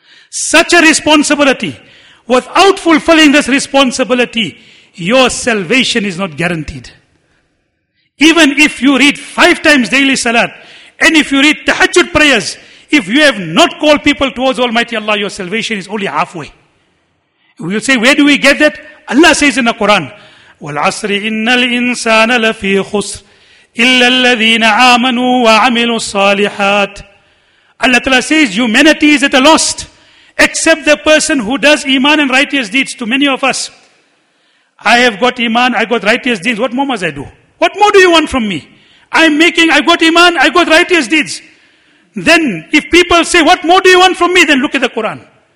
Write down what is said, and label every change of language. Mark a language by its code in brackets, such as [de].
[en] Such a responsibility, without fulfilling this responsibility, your salvation is not guaranteed. Even if you read 5 times daily salat, and if you read tahajjud prayers, if you have not called people towards Almighty Allah, your salvation is only halfway. We will say, where do we get that? Allah says in the Quran, [ar] وَالْعَصْرِ إِنَّ الْإِنسَانَ لَفِي خُسْرِ إِلَّا الَّذِينَ آمَنُوا وَعَمِلُوا الصَّالِحَاتِ. [en] Allah Ta'ala says, humanity is at a loss, except the person who does iman and righteous deeds. To many of us, I have got iman, I got righteous deeds, what more must I do? What more do you want from me? I got iman, I got righteous deeds. Then if people say, what more do you want from me? Then look at the Quran.